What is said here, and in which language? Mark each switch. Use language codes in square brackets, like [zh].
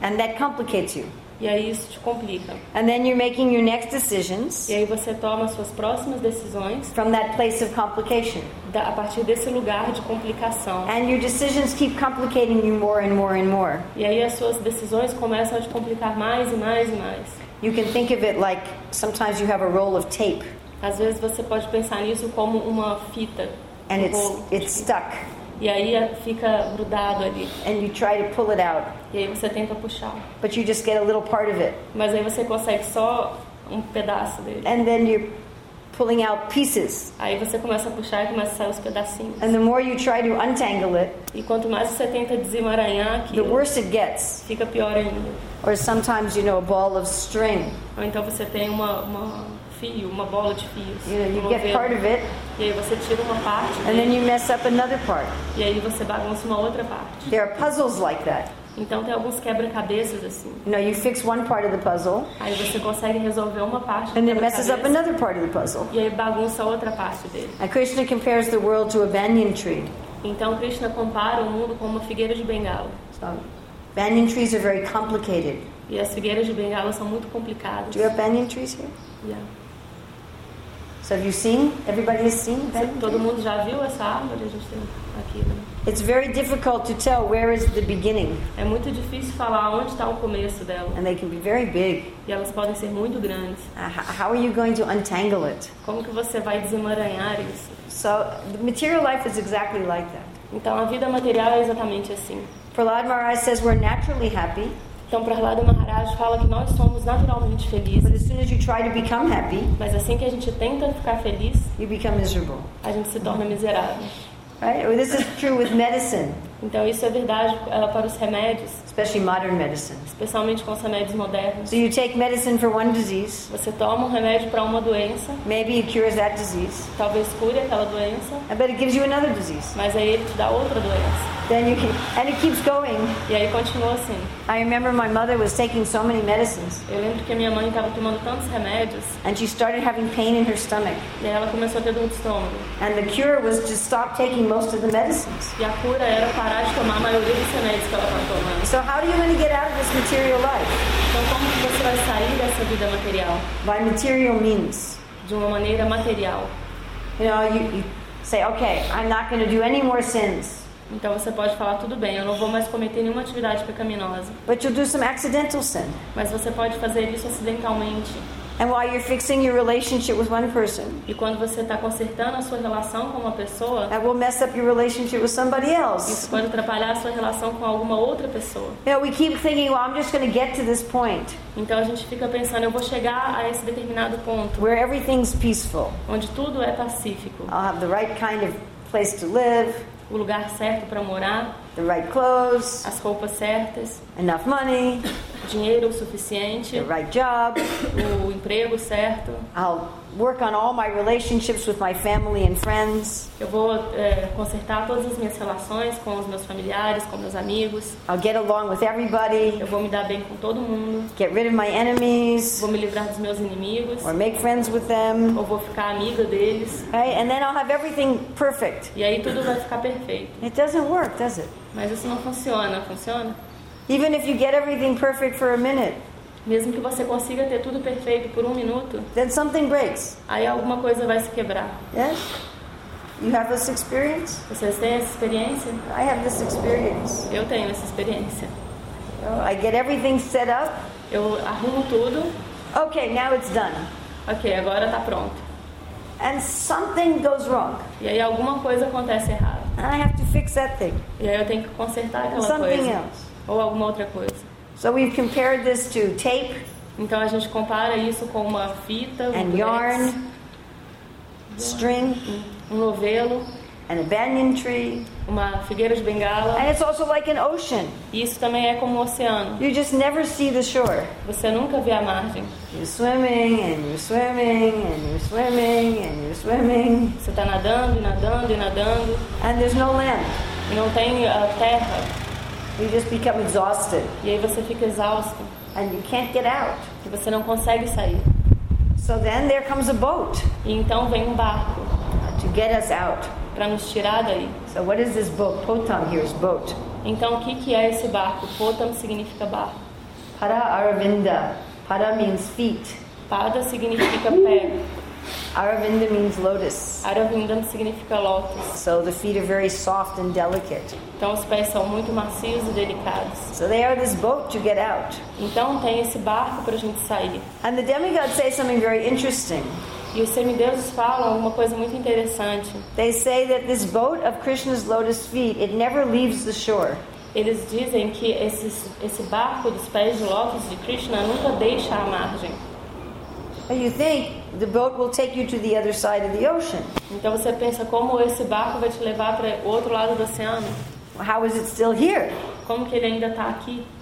[en] And that complicates you. [pt] E E aí isso te complica. [en] And then you're making your next decisions. [pt] E aí você toma as suas próximas decisões. [en] From that place of complication. [pt] A partir desse lugar de complicação. [en] And your decisions keep complicating you more and more and more. [pt] E aí as suas decisões começam a te complicar mais e mais e mais. [en] You can think of it like sometimes you have a roll of tape. [pt] Às vezes você pode pensar nisso como uma fita. [en] And um it's stuck. [pt] E aí fica grudado ali. [en] And you try to pull it out. [pt] E aí você tenta puxar. [en] But you just get a little part of it. [pt] Mas aí você consegue só um pedaço dele. [en] And then you're pulling out pieces. [pt] Aí você começa a puxar e começa a sair os pedacinhos. [en] And the more you try to untangle it. [pt] E quanto mais você tenta desemaranhar aquilo. [en] The worse it gets. [pt] Fica pior ainda. [en] Or sometimes you know a ball of string. [pt] Ou então você tem uma fio, uma bola de fios. [en] You know, you get part of it. [pt] E aí você tira uma parte. [en] And then you mess up another part. [pt] E aí você bagunça uma outra parte. [en] There are puzzles like that. [pt] Então tem alguns quebra-cabeças assim. [en] You know, you fix one part of the puzzle. [pt] Aí você consegue resolver uma parte. [en] And then messes up another part of the puzzle. [pt] E aí bagunça outra parte dele. [en] And Krishna compares the world to a banyan tree. [pt] Então Krishna compara o mundo com uma figueira de Bengala. [en] So, banyan trees are very complicated. [pt] E as figueiras de Bengala são muito complicadas. [en] Do you have banyan trees here? Yeah. So have you seen? Everybody has seen banyan trees? [pt] Todo mundo já viu essa árvore? A gente tem aqui, né? [en] It's very difficult to tell where is the beginning. [pt] É muito difícil falar onde está o começo dela. [en] And they can be very big. [pt] E elas podem ser muito grandes. [en] How are you going to untangle it? [pt] Como que você vai desemaranhar isso? [en] So the material life is exactly like that. [pt] Então a vida material é exatamente assim. [en] Prahlad Maharaj says we're naturally happy. [pt] Então Prahlad Maharaj fala que nós somos naturalmente felizes. [en] But as soon as you try to become happy, [pt] mas assim que a gente tenta ficar feliz, [en] you become miserable. [pt] A gente se torna miserável. [en] Right? Well, this is true with medicine. [pt] Então isso é verdade para os remédios. [en] Especially modern medicine. [pt] Especialmente com os remédios modernos. [en] So you take medicine for one disease. [pt] Você toma um remédio para uma doença. [en] Maybe it cures that disease. [pt] Talvez cure aquela doença. [en] But it gives you another disease. [pt] Mas aí ele te dá outra doença. [en] Then you can, and it keeps going. [pt] E aí continua assim. [en] I remember my mother was taking so many medicines. [pt] Eu lembro que a minha mãe estava tomando tantos remédios. [en] And she started having pain in her stomach. [pt] E ela começou a ter dor de estômago. [en] And the cure was to stop taking most of the medicines. [pt] E a cura era parar de tomar a maioria dos remédios que ela estava tomando. [en] So how are you going to get out of this material life? [pt] Então como que você vai sair dessa vida material? [en] By material means. [pt] De uma maneira material. [en] You know, you say, okay, I'm not going to do any more sins. [pt] Então você pode falar, tudo bem, eu não vou mais cometer nenhuma atividade pecaminosa. [en] But you'll do some accidental sin. [pt] Mas você pode fazer isso acidentalmente. [en] And while you're fixing your relationship with one person, [pt] e quando você está consertando a sua relação com uma pessoa, [en] that will mess up your relationship with somebody else. [pt] Isso pode atrapalhar a sua relação com alguma outra pessoa. [en] You know, we keep thinking, well, I'm just going to get to this point. [pt] Então a gente fica pensando, eu vou chegar a esse determinado ponto. [en] Where everything's peaceful. [pt] Onde tudo é pacífico. [en] I'll have the right kind of place to live. [pt] O lugar certo para morar. [en] The right clothes. [pt] As roupas certas. [en] Enough money. [pt] Dinheiro suficiente. [en] The right job. [pt] O emprego certo. [en] I'll work on all my relationships with my family and friends. [pt] Eu vou consertar todas as minhas relações com os meus familiares, com meus amigos. [en] I'll get along with everybody. [pt] Eu vou me dar bem com todo mundo. [en] Get rid of my enemies. [pt] Vou me livrar dos meus inimigos. [en] Or make friends with them. [pt] Ou vou ficar amiga deles. [en] Right? And then I'll have everything perfect. [pt] E aí tudo vai ficar perfeito. [en] It doesn't work, does it? [pt] Mas isso não funciona, funciona? [en] Even if you get everything perfect for a minute. [pt] Mesmo que você consiga ter tudo perfeito por um minuto. [en] Then something breaks. [pt] Aí alguma coisa vai se quebrar. [en] Yes? You have this experience? [pt] Vocês têm essa experiência? [en] I have this experience. [pt] Eu tenho essa experiência. [en] Oh, I get everything set up. [pt] Eu arrumo tudo. [en] Okay, now it's done. [pt] Okay, agora tá pronto. [en] And something goes wrong. [pt] E aí alguma coisa acontece errada. [en] And I have to fix that thing. [pt] E aí eu tenho que consertar aquela coisa. [en] Something else. [pt] Ou alguma outra coisa. [en] So we've compared this to tape. [pt] Então a gente compara isso com uma fita, [en] and yarn, string, [pt] um novelo, [en] and a banyan tree, [pt] uma figueira de Bengala. [en] And it's also like an ocean. [pt] Isso também é como um oceano. [en] You just never see the shore. [pt] Você nunca vê a margem. [en] You're swimming and you're swimming and you're swimming and you're swimming. [pt] Você está nadando e nadando e nadando. [en] And there's no land. [pt] E não tem terra. [en] You just become exhausted. [pt] E aí você fica exausto. [en] And you can't get out. [pt] E você não consegue sair. [en] So then there comes a boat. [pt] E então vem um barco. [en] To get us out. [pt] Para nos tirar daí. [en] So what is this boat? Potam here is boat. [pt] Então o que é esse barco? Potam significa barco. [en] Pada Aravinda. Pada means feet. [pt] Pada significa pé. [en] Aravinda means lotus. [pt] Aravindam significa lótus. [en] So the feet are very soft and delicate. [pt] Então os pés são muito macios e delicados. [en] So they are this boat to get out. [pt] Então tem esse barco para a gente sair. [en] And the demigods say something very interesting. [pt] E os semideuses falam uma coisa muito interessante. [en] They say that this boat of Krishna's lotus feet, it never leaves the shore. [pt] Eles dizem que esse barco dos pés de lótus de Krishna nunca deixa a margem. [en] And you think the boat will take you to the other side of the ocean. [pt] Então você pensa como esse barco vai te levar para o outro lado do oceano? [en] How is it still here? [pt] Como que ele ainda está aqui?